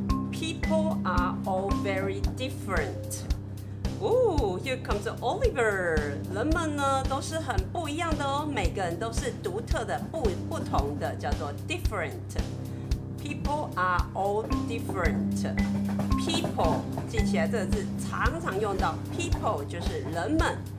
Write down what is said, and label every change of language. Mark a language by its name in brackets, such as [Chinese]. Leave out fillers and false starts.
[English] People are all very different. Ooh, here comes Oliver. [Chinese] 人们呢都是很不一样的哦，每个人都是独特的，不同的，叫做 different. [English] People are all different. [Chinese] People 记起来这个字常常用到 ，people 就是人们。